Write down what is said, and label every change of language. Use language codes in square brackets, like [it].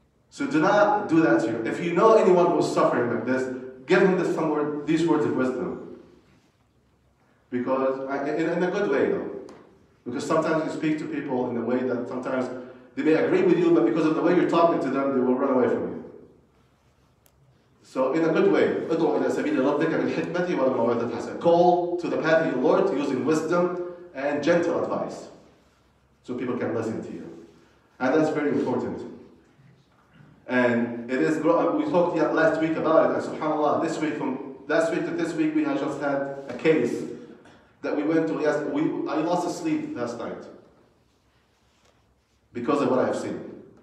[en] So do not do that to you. If you know anyone who's suffering like this, give him this these words of wisdom. Because, in a good way though, because sometimes you speak to people in a way that sometimes they may agree with you, but because of the way you're talking to them, they will run away from you. So in a good way, [ar] ادعو إلى سبيل ربك بالحكمة والموعظة الحسنة. [en] Call to the path of your Lord using wisdom and gentle advice, so people can listen to you. And that's very important. And it is, we talked last week about it, and subhanAllah, this week, from last week to this week, we have just had a case that we went to, yes, I lost sleep last night because of what I've seen.